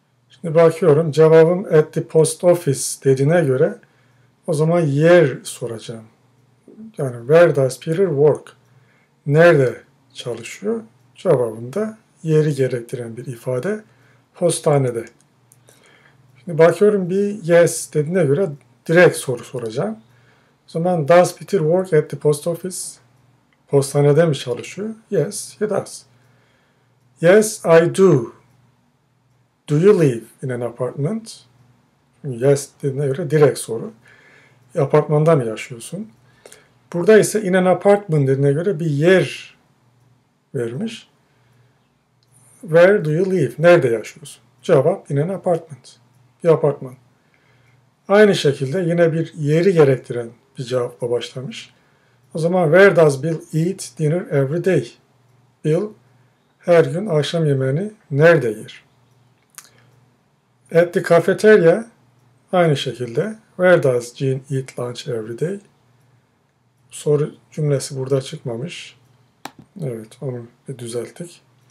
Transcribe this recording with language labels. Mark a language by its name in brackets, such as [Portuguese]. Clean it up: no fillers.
[Turkish] Şimdi bakıyorum cevabım [English] at the post office [Turkish] dediğine göre o zaman yer soracağım. [English] Yani where does Peter work? [Turkish] Nerede çalışıyor? Cevabında yeri gerektiren bir ifade. Postanede. Şimdi bakıyorum bir yes dediğine göre direkt soru soracağım. O zaman [English] does Peter work at the post office? [Turkish] Postanede mi çalışıyor? [English] Yes, he does. Yes, I do. Do you live in an apartment? Yes [Turkish] dediğine göre direkt soru. Apartmanda mı yaşıyorsun? Burada ise [English] in an apartment [Turkish] dediğine göre bir yer vermiş. [English] Where do you live? [Turkish] Nerede yaşıyorsun? Cevap [English] in an apartment. [Turkish] Bir apartman. Aynı şekilde yine bir yeri gerektiren bir cevapla başlamış. O zaman [English] where does Bill eat dinner every day? [Turkish] Bill her gün akşam yemeğini nerede yer? [English] At the cafeteria [Turkish] aynı şekilde [English] where does Jean eat lunch every day? [Turkish] Soru cümlesi burada çıkmamış. Evet, onu bir düzelttik.